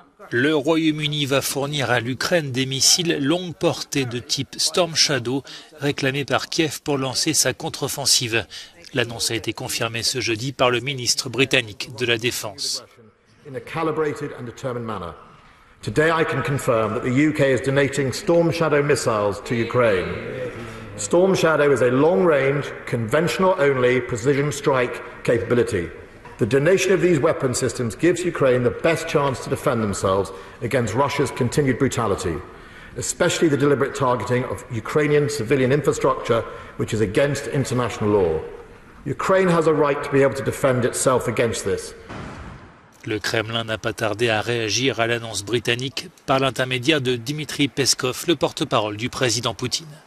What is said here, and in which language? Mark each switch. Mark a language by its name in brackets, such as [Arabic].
[French] Le Royaume-Uni va fournir à l'Ukraine des missiles longue portée de type Storm Shadow, réclamés par Kiev pour lancer sa contre-offensive. L'annonce a été confirmée ce jeudi par le ministre britannique de la Défense. [English] In a calibrated and determined manner. Today I can confirm that the UK is donating Storm Shadow missiles to Ukraine. Storm Shadow is a long-range, conventional-only precision strike capability. The donation of these weapon systems gives Ukraine the best chance to defend themselves against Russia's continued brutality, especially the deliberate targeting of Ukrainian civilian infrastructure, which is against international law. Ukraine has a right to be able to defend itself against this. [French] Le Kremlin n'a pas tardé à réagir à l'annonce britannique par l'intermédiaire de Dmitri Peskov, le porte-parole du président Poutine.